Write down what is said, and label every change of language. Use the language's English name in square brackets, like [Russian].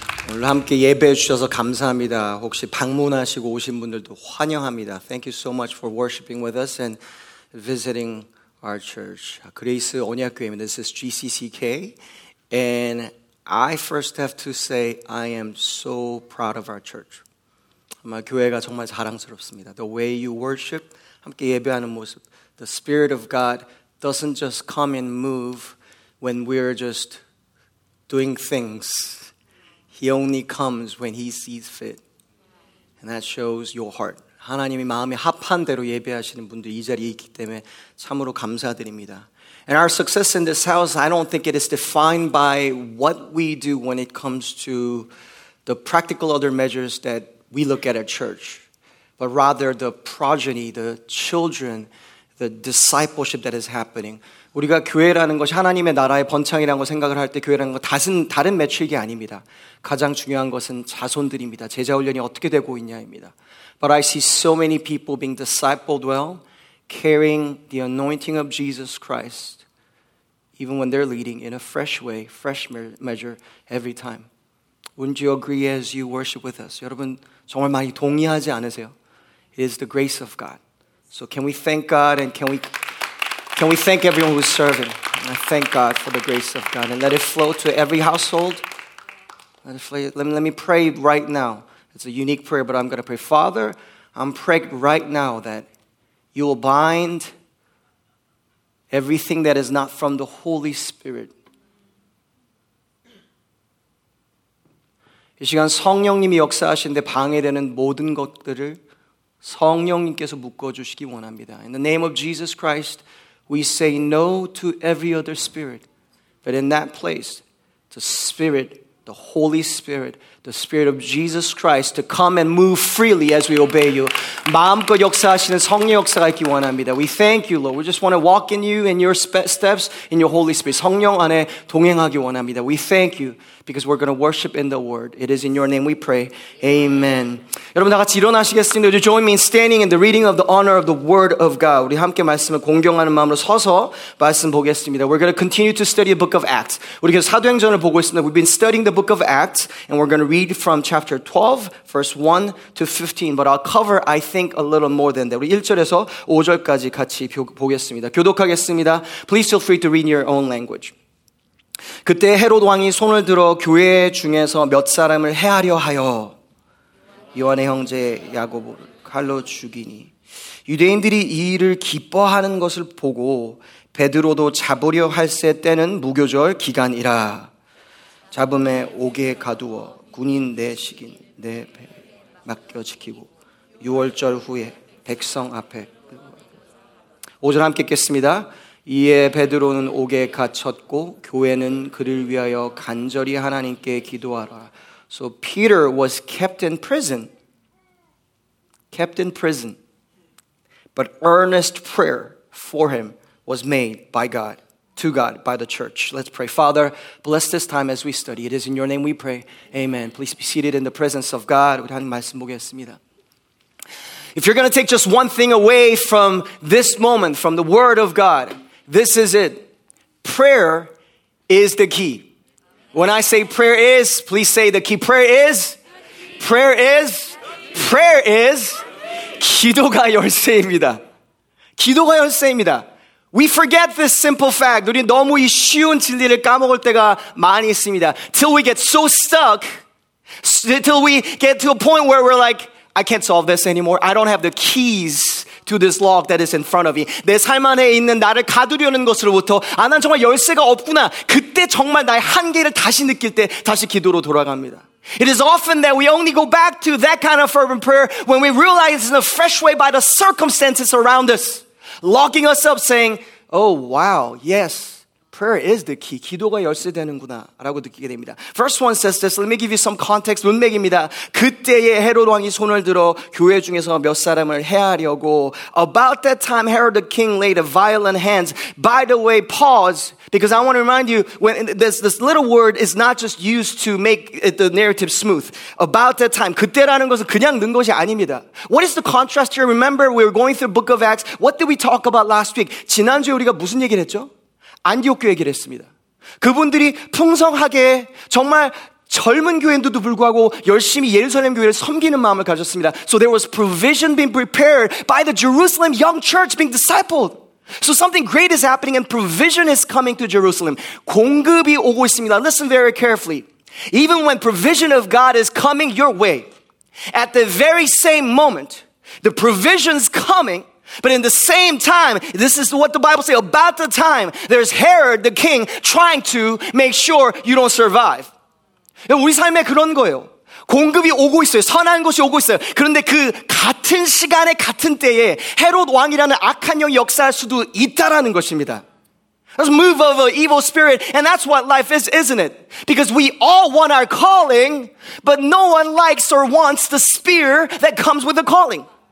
[Korean] 오늘 함께 예배해 주셔서 감사합니다. 혹시 방문하시고 오신 분들도 환영합니다. [English] Thank you so much for worshiping with us and visiting our church. [Korean] 그레이스 언약교회입니다. [English] This is GCCK. And I first have to say I am so proud of our church. [Korean] 아마 교회가 정말 자랑스럽습니다. [English] The way you worship, [Korean] 함께 예배하는 모습. [English] The Spirit of God doesn't just come and move when we're just doing things. He only comes when he sees fit. And that shows your heart. [Korean] 하나님이 마음에 합한 대로 예배하시는 분들 이 자리에 있기 때문에 참으로 감사드립니다. [English] And our success in this house, I don't think it is defined by what we do when it comes to the practical other measures that we look at church. But rather the progeny, the children, the discipleship that is happening. [Korean] 우리가 교회라는 것이 하나님의 나라의 번창이라는 걸 생각을 할 때 교회라는 것 다른 매출이 아닙니다. 가장 중요한 것은 자손들입니다. 제자 훈련이 어떻게 되고 있냐입니다. [English] But I see so many people being discipled well, carrying the anointing of Jesus Christ, even when they're leading in a fresh way, fresh measure every time. Wouldn't you agree as you worship with us? [Korean] 여러분 정말 많이 동의하지 않으세요? [English] It is the grace of God. So can we thank God and can we thank everyone who's serving? I thank God for the grace of God and let it flow to every household. Let me pray right now. It's a unique prayer, but I'm going to pray. Father, I'm praying right now that you will bind everything that is not from the Holy Spirit. [Korean] 이 시간 성령님이 역사하시는데 방해되는 모든 것들을 성령님께서 묶어주시기 원합니다. [English] In the name of Jesus Christ, we say no to every other spirit. But in that place, the Spirit, the Holy Spirit, the Spirit of Jesus Christ to come and move freely as we obey you. [Korean] 마음껏 역사하시는 성령 역사가 있기 원합니다. [English] We thank you, Lord. We just want to walk in you in your steps, in your Holy Spirit. [Korean] 성령 안에 동행하기 원합니다. [English] We thank you because we're going to worship in the Word. It is in your name we pray. Amen. [Korean] 여러분 다 같이 일어나시겠습니다. [English] Would you join me in standing in the reading of the honor of the Word of God. [Korean] 우리 함께 말씀을 공경하는 마음으로 서서 말씀 보겠습니다. [English] We're going to continue to study the book of Acts. [Korean] 우리 계속 사도행전을 보고 있습니다. [English] We've been studying the book of Acts and we're going to read from chapter 12, verse 1 to 15. But I'll cover, I think, a little more than that. [Korean] 우리 1절에서 5절까지 같이 보겠습니다. 교독하겠습니다. [English] Please feel free to read in your own language. [Korean] 그때 헤롯 왕이 손을 들어 교회 중에서 몇 사람을 해하려 하여 요한의 형제 야고보를 칼로 죽이니 유대인들이 이 일을 기뻐하는 것을 보고 베드로도 잡으려 할세 때는 무교절 기간이라 잡음에 옥에 가두어 군인 내식인 내 배에 맡겨 지키고 유월절 후에 백성 앞에 5절 함께 읽겠습니다. 이에 베드로는 옥에 갇혔고 교회는 그를 위하여 간절히 하나님께 기도하라. [English] So Peter was kept in prison, but earnest prayer for him was made by God, to God, by the church. Let's pray. Father, bless this time as we study. It is in your name we pray. Amen. Please be seated in the presence of God. [Korean] 우리 하나님 말씀 보겠습니다. [English] If you're going to take just one thing away from this moment, from the word of God, this is it. Prayer is the key. When I say prayer is, please say the key. Prayer is, prayer is, prayer is, [Korean] 기도가 열쇠입니다. 기도가 열쇠입니다. [English] We forget this simple fact. [Korean] 우리 너무 이 쉬운 진리를 까먹을 때가 많이 있습니다. [English] Till we get so stuck, till we get to a point where we're like, I can't solve this anymore. I don't have the keys to this lock that is in front of me. [Korean] 내 삶 안에 있는 나를 가두려는 것으로부터 아, 난 정말 열쇠가 없구나. 그때 정말 나의 한계를 다시 느낄 때 다시 기도로 돌아갑니다. [English] It is often that we only go back to that kind of fervent prayer when we realize in a fresh way by the circumstances around us. Locking us up saying, oh wow, yes, prayer is the key. [Korean] 기도가 열쇠되는구나 라고 느끼게 됩니다. [English] First one says this. Let me give you some context. [Korean] 문맥입니다. 그때에 헤롯 왕이 손을 들어 교회 중에서 몇 사람을 해하려고. [English] About that time, Herod the king laid a violent hands. By the way, pause. Because I want to remind you, when this little word is not just used to make it, the narrative smooth. About that time. [Korean] 그때라는 것은 그냥 넣은 것이 아닙니다. [English] What is the contrast here? Remember, we were going through the book of Acts. What did we talk about last week? [Korean] 지난주에 우리가 무슨 얘기를 했죠? 안디옥교 얘기를 했습니다. 그분들이 풍성하게 정말 젊은 교회인데도 불구하고 열심히 예루살렘 교회를 섬기는 마음을 가졌습니다. [English] So there was provision being prepared by the Jerusalem young church being discipled. So something great is happening and provision is coming to Jerusalem. [Korean] 공급이 오고 있습니다. [English] Listen very carefully. Even when provision of God is coming your way, at the very same moment, the provision's coming, but in the same time, this is what the Bible says, about the time, there's Herod the king trying to make sure you don't survive. [Korean] 우리 삶에 그런 거예요. 공급이 오고 있어요. 선한 것이 오고 있어요. 그런데 그 같은 시간에 같은 때에 헤롯 왕이라는 악한 영이 역사할 수도 있다라는 것입니다. [English] That's a move of an evil spirit, and that's what life is, isn't it? Because we all want our calling, but no one likes or wants the spear that comes with the calling.